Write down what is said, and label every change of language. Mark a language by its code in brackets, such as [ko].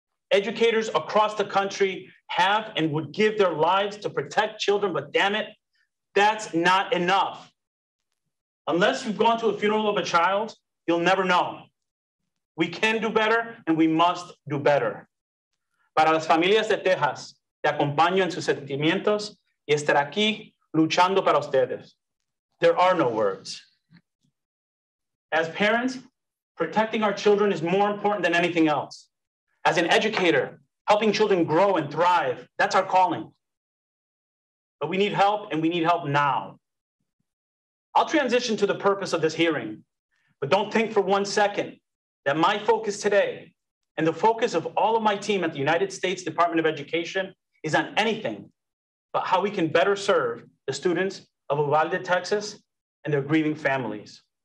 [en] Educators across the country have and would give their lives to protect children, but damn it, that's not enough. Unless you've gone to a funeral of a child, you'll never know. We can do better and we must do better. [es] Para las familias de Texas, te acompaño en sus sentimientos y estar aquí luchando para ustedes. [en] There are no words. As parents, protecting our children is more important than anything else. As an educator, helping children grow and thrive, that's our calling. But we need help and we need help now. I'll transition to the purpose of this hearing, but don't think for one second that my focus today and the focus of all of my team at the United States Department of Education is on anything but how we can better serve the students of Uvalde, Texas and their grieving families.